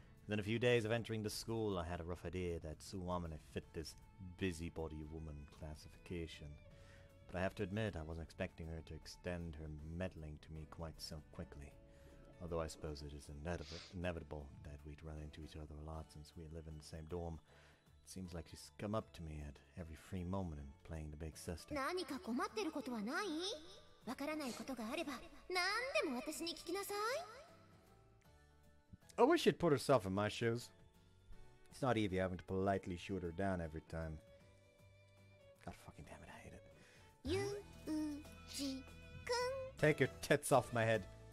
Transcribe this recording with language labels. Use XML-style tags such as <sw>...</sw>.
<en>Within a few days of entering the school, I had a rough idea that Suwamine fit this busybody woman classification. But I have to admit, I wasn't expecting her to extend her meddling to me quite so quickly. Although I suppose it is inevitable that we'd run into each other a lot since we live in the same dorm. It seems like she's come up to me at every free moment and playing the big sister.</en> <ja>何か困ってることはない?わからないことがあれば、何でも私に聞きなさい。</ja> <en>I wish she'd put herself in my shoes. It's not easy having to politely shoot her down every time. God fucking damn it, I hate it. Yuji-kun. Take your tits off my head.</en>